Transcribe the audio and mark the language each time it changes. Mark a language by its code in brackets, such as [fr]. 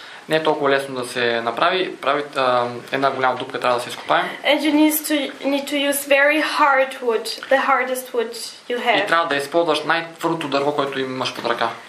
[bg] Не е толкова лесно да се направи, една голяма дупка трябва да се изкопае. [en] And you need to use very hard wood, the hardest wood you have. [bg] И трябва да използваш най-твърдото дърво, което имаш под ръка.